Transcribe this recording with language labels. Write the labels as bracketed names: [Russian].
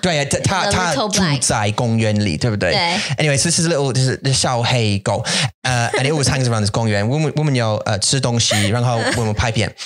[Chinese] 对,它住在公园里, 对不对? 对. [English] Anyway, so this is a little, this is a [Chinese] 小黑狗. [English] And it always hangs around this gongyuan. [Chinese] 我们要吃东西, 然后我们拍片.